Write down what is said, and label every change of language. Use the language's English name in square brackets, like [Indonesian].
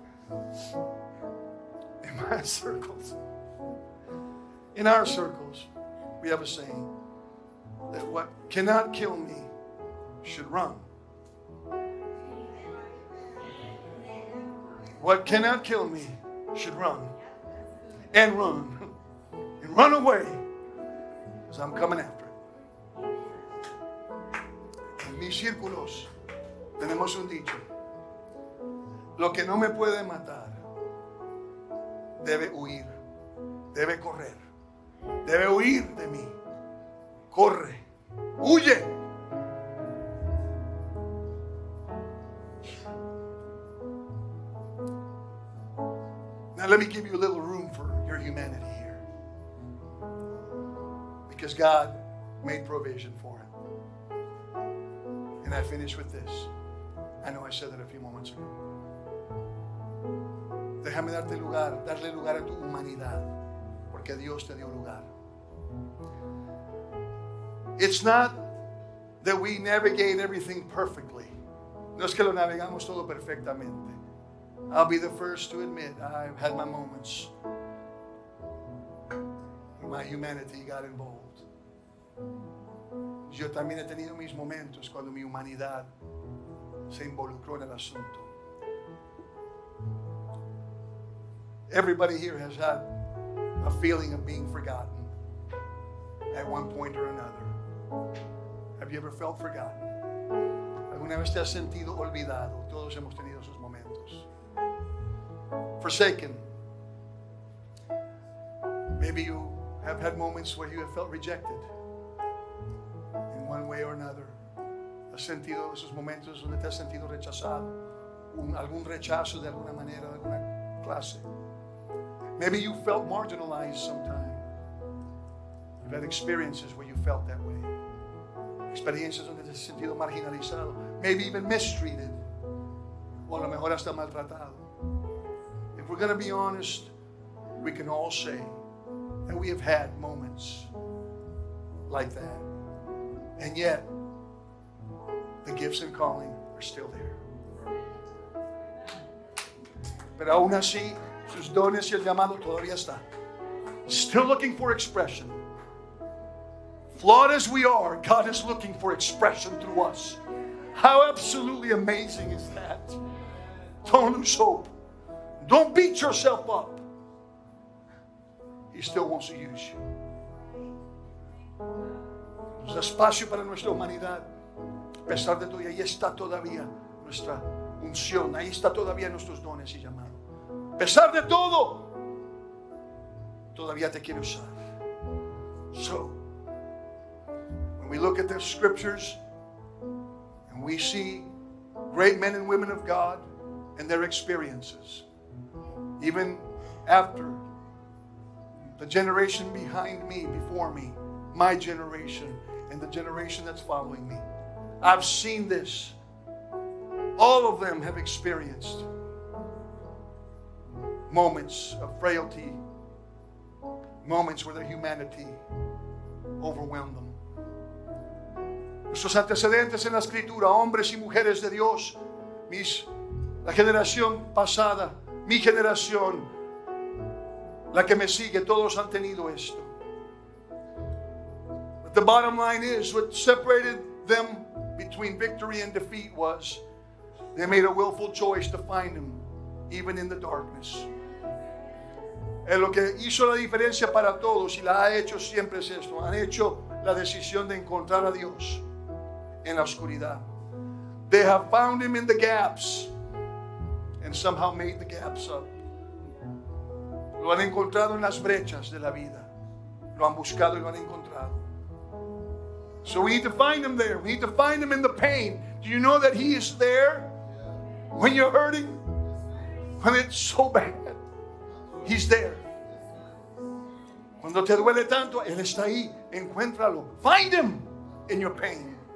[English] In my circles, in our circles, we have a saying that what cannot kill me should run. What cannot kill me should run and run and run away, because I'm coming after it. [Spanish] En mis círculos tenemos un dicho: lo que no me puede matar debe huir, debe correr, debe huir de mí. Corre, huye. [English] Now let me give you a little room for your humanity here, because God made provision for it. And I finish with this. I know I said that a few moments ago. [Spanish] Déjame darte lugar, darle lugar a tu humanidad, porque Dios te dio lugar. [English] It's not that we navigate everything perfectly. [Spanish] No es que lo navegamos todo perfectamente. [English] I'll be the first to admit I've had my moments where my humanity got involved. [Spanish] Yo también he tenido mis momentos cuando mi humanidad se involucró en el asunto. [English] Everybody here has had a feeling of being forgotten at one point or another. Have you ever felt forgotten? [Spanish] ¿Alguna vez te has sentido olvidado? Todos hemos tenido esos momentos. [English] Forsaken. Maybe you have had moments where you have felt rejected in one way or another. [Spanish] ¿Has sentido esos momentos donde te has sentido rechazado? ¿Algún rechazo de alguna manera, de alguna clase? [English] Maybe you felt marginalized sometime. You've had experiences where you felt that way. [Spanish] Experiencias donde te has sentido marginalizado. [English] Maybe even mistreated. [Spanish] O a lo mejor hasta maltratado. [English] If we're going to be honest, we can all say that we have had moments like that. And yet, the gifts and calling are still there. [Spanish] Pero aún así, sus dones y el llamado todavía está. [English] Still looking for expression. Flawed as we are, God is looking for expression through us. How absolutely amazing is that? Don't lose hope. Don't beat yourself up. He still wants to use you. [Spanish] Es espacio para nuestra humanidad. A pesar de todo, ahí está todavía nuestra unción. Ahí está todavía nuestros dones y llamados. A pesar de todo, todavía te quiero usar. [English] So, when we look at the scriptures and we see great men and women of God and their experiences, even after the generation behind me, before me, my generation, and the generation that's following me, I've seen this. All of them have experienced moments of frailty, moments where their humanity overwhelmed them. [Spanish] Nuestros antecedentes en la escritura, hombres y mujeres de Dios, la generación pasada, mi generación, la que me sigue, todos han tenido esto. [English] But the bottom line is, what separated them between victory and defeat was They made a willful choice to find him, even in the darkness. [Spanish] Es lo que hizo la diferencia para todos y la ha hecho siempre es esto. Han hecho la decisión de encontrar a Dios en la oscuridad. [English] They have found him in the gaps and somehow made the gaps up. [Spanish] Lo han encontrado en las brechas de la vida. Lo han buscado y lo han encontrado. [English] So we need to find him there. We need to find him in the pain. Do you know that he is there? When you're hurting, when it's so bad, he's there. [Spanish] Cuando te duele tanto, él está ahí. Encuéntralo. [English] Find him in your pain.